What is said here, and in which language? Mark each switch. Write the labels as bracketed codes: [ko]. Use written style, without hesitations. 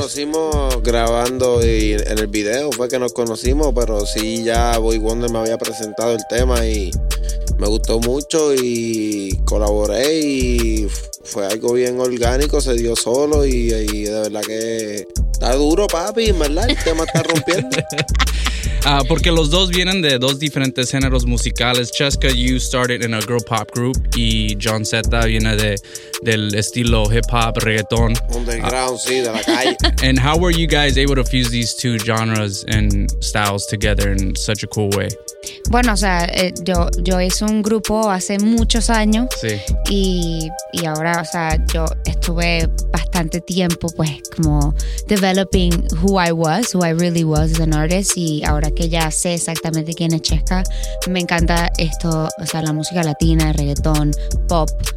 [es] Nos conocimos grabando y en el video fue que nos conocimos, pero sí, ya Boy Wonder me había presentado el tema y me gustó mucho y colaboré y fue algo bien orgánico, se dio solo y de verdad que está duro, papi, ¿verdad? El tema está rompiendo. Porque los dos vienen de dos diferentes géneros musicales. [en] Chesca, you started in a girl pop group. [es] Y John Zeta viene del estilo hip hop, reggaeton. Underground, sí, de la calle. [en] And how were you guys able to fuse these two genres and styles together in such a cool way? [es] Bueno, o sea, yo hice un grupo hace muchos años. Sí. Y ahora, o sea, yo estuve bastante tiempo, pues, como [en] developing who I was, who I really was as an artist. [es] Y ahora que ya sé exactamente quién es Chesca, me encanta esto, o sea, la música latina, el reggaetón, pop.